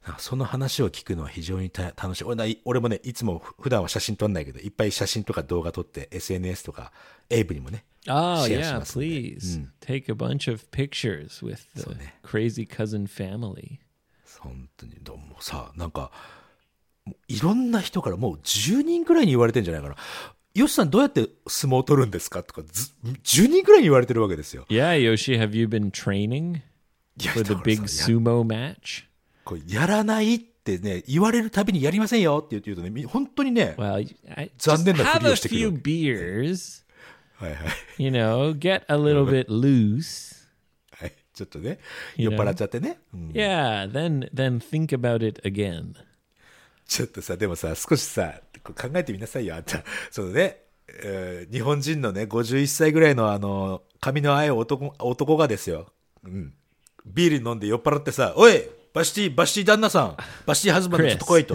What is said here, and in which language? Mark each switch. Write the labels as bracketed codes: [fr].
[ja] その話を聞くのは非常に楽しい。俺もね、いつも普段は写真撮んないけど、いっぱい写真とか動画撮って SNS とかエイブにもね、 oh, シェアしますので。 [en] Yeah, please. Take a bunch of pictures with the crazy cousin family. [ja] 本当にどうもさ、なんかいろんな人からもう10人くらいに言われてんじゃないかな。ヨシさんどうやって相撲を取るんですかとか10人くらいに言われてるわけですよ。 [en] Yeah, Yoshi, have you been training for the big sumo match? [ja] やらないってね、言われるたびにやりませんよって言うとね、本当にね、 [en] well, [ja] 残念なふりをしてくる。 [en] Have a few beers. [ja] はいはい。 [en] You know, get a little bit loose. [ja] はい、ちょっとね、酔っ払っちゃってね。 [en] Yeah, then think about it again. [ja] ちょっとさ、でもさ、少しさ、こう考えてみなさいよ、あんた。そのね、日本人のね、51歳ぐらいの髪の青い男がですよ、うん。ビール飲んで酔っ払ってさ、おい、バシティ旦那さん、バシティハズマンド、ちょっと来いと。